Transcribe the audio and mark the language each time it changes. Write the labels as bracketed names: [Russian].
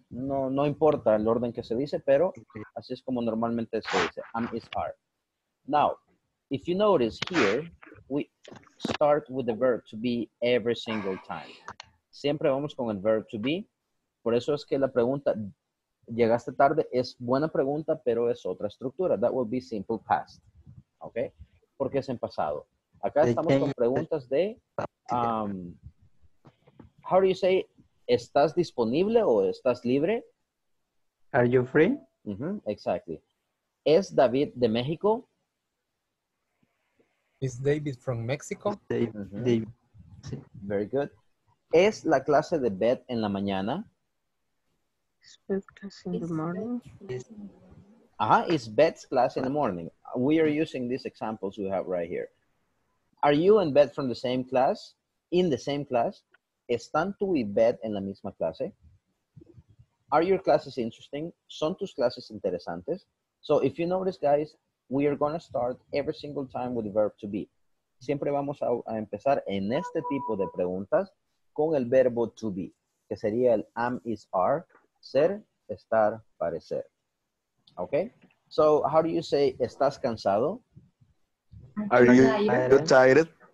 [Spanish] No, no importa el orden que se dice, pero así es como normalmente se dice. [English] Am, is, are. Now, if you notice here, we start with the verb to be every single time. [Spanish] Siempre vamos con el verb to be. Por eso es que la pregunta, llegaste tarde, es buena pregunta, pero es otra estructura. [English] That will be simple past. Okay? [Spanish] Porque es en pasado. Acá estamos con preguntas de, [English] how do you say, [Spanish] ¿estás disponible o estás libre? [English] Are you free? Mm-hmm, exactly. [Spanish] ¿Es David de México? [English] Is David from Mexico? David. Mm-hmm. Very good. [Spanish] ¿Es la clase de Beth en la mañana? [English] Is Beth class in the morning? Is Beth's class in the morning? We are using these examples we have right here. Are you and Beth from the same class? In the same class? [Spanish] ¿Están tú y Beth en la misma clase? [English] Are your classes interesting? [Spanish] ¿Son tus clases interesantes? [English] So if you notice, guys, we are going to start every single time with the verb to be. [Spanish] Siempre vamos a empezar en este tipo de preguntas con el verbo to be, que sería el am, is, are, ser, estar, parecer. [English] Okay? So, how do you say, [Spanish] ¿estás cansado? [English] Are you tired? Tired?